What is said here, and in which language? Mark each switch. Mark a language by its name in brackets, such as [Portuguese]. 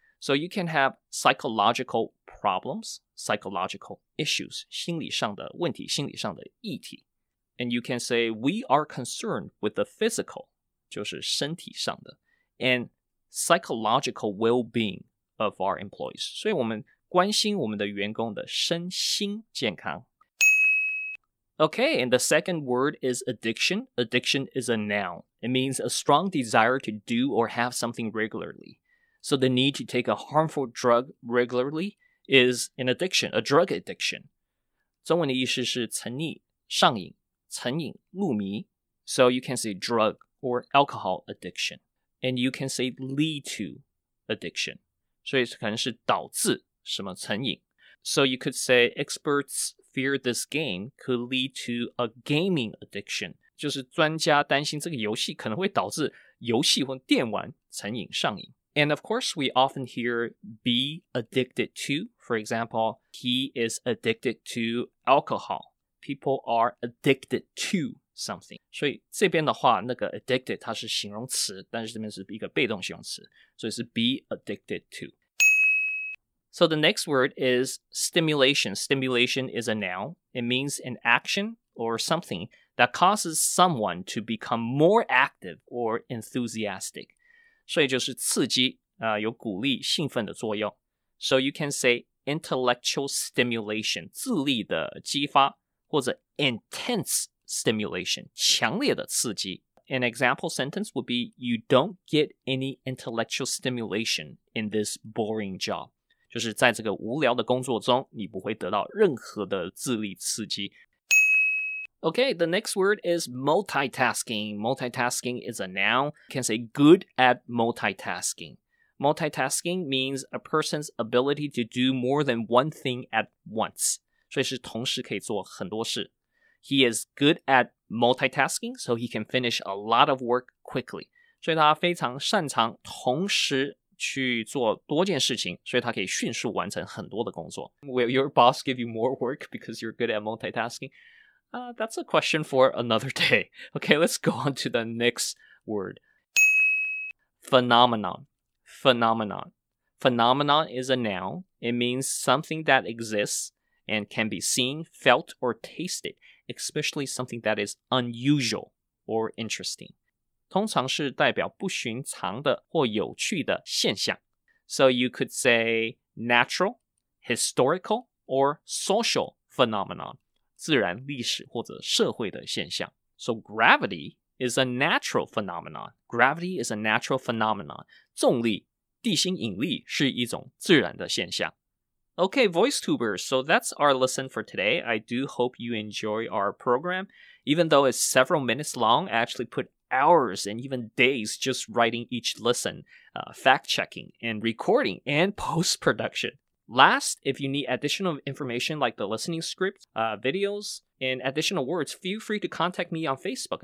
[English] So you can have psychological problems, psychological issues, [Chinese] 心理上的问题,心理上的议题。 [English] And you can say, we are concerned with the physical, [Chinese] 就是身体上的, [English] and psychological well-being of our employees. [Chinese] 所以我们关心我们的员工的身心健康。 [English] Okay, and the second word is addiction. Addiction is a noun. It means a strong desire to do or have something regularly. So the need to take a harmful drug regularly is an addiction, a drug addiction. [Chinese] 中文的意思是成瘾、上瘾、成瘾、入迷。 [English] So you can say drug or alcohol addiction. And you can say lead to addiction. [Chinese] 所以可能是导致什么成瘾。 [English] So you could say experts... fear this game could lead to a gaming addiction. [Chinese] 就是专家担心这个游戏可能会导致游戏或电玩成瘾上瘾。 [English] And of course, we often hear be addicted to. For example, he is addicted to alcohol. People are addicted to something. [Chinese] 所以这边的话那个 addicted 它是形容词，但是这边是一个被动形容词，所以是 be addicted to. [English] So the next word is stimulation. Stimulation is a noun. It means an action or something that causes someone to become more active or enthusiastic. [Chinese] 所以就是刺激、有鼓励兴奋的作用。 [English] So you can say intellectual stimulation, [Chinese] 智力的激发，或者 [English] intense stimulation, [Chinese] 强烈的刺激。 [English] An example sentence would be, you don't get any intellectual stimulation in this boring job. [Chinese] 就是在这个无聊的工作中，你不会得到任何的智力刺激。 [English] Okay, the next word is multitasking. Multitasking is a noun. You can say good at multitasking. Multitasking means a person's ability to do more than one thing at once. [Chinese] 所以是同时可以做很多事。 [English] He is good at multitasking, so he can finish a lot of work quickly. [Chinese] 所以他非常擅长同时去做多件事情，所以他可以迅速完成很多的工作。 [English] Will your boss give you more work because you're good at multitasking? That's a question for another day. Okay, let's go on to the next word. Phenomenon. Phenomenon. Phenomenon is a noun. It means something that exists and can be seen, felt, or tasted, especially something that is unusual or interesting. [Chinese] 通常是代表不寻常的或有趣的现象。 [English] So you could say natural, historical, or social phenomenon. [Chinese] 自然历史或者社会的现象。 [English] So gravity is a natural phenomenon. Gravity is a natural phenomenon. [Chinese] 重力，地心引力是一种自然的现象。 [English] Okay, VoiceTubers, so that's our lesson for today. I do hope you enjoy our program. Even though it's several minutes long, I actually put hours and even days just writing each lesson, fact-checking and recording and post-production. Last, if you need additional information like the listening script, videos, and additional words, feel free to contact me on Facebook.